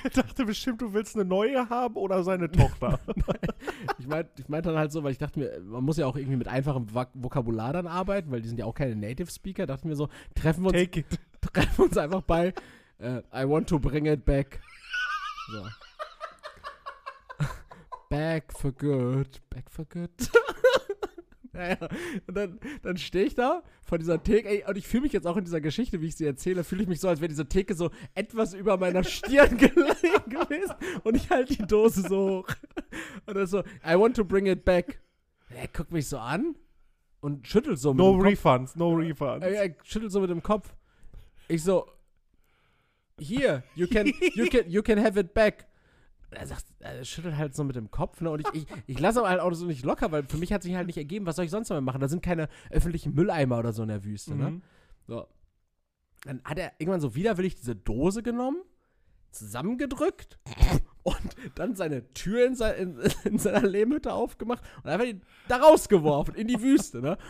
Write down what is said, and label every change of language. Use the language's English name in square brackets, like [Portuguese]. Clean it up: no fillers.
[German] Ich dachte bestimmt, du willst eine neue haben oder seine Tochter. ich meinte dann halt so, weil ich dachte mir, man muss ja auch irgendwie mit einfachem Vokabular dann arbeiten, weil die sind ja auch keine Native Speaker. Dachte mir so, treffen wir uns einfach bei [English] I want to bring it back. [German] So. [English] Back for good, back for good. [German] Naja, und dann stehe ich da vor dieser Theke, ey, und ich fühle mich jetzt auch in dieser Geschichte, wie ich sie erzähle, fühle ich mich so, als wäre diese Theke so etwas über meiner Stirn gelegen gewesen und ich halte die Dose so hoch und dann so, [English] I want to bring it back. [German] Er guckt mich so an und schüttelt so mit dem Kopf. [English] No refunds, no refunds. [German] Er schüttelt so mit dem Kopf. Ich so, [English] here, you can have it back. [German] Er schüttelt halt so mit dem Kopf, ne? Und ich lasse aber halt auch so nicht locker, weil für mich hat sich halt nicht ergeben, was soll ich sonst damit machen? Da sind keine öffentlichen Mülleimer oder so in der Wüste, ne? So. Dann hat er irgendwann so widerwillig diese Dose genommen, zusammengedrückt und dann seine Tür in seiner Lehmhütte aufgemacht und einfach ihn da rausgeworfen, in die Wüste, ne?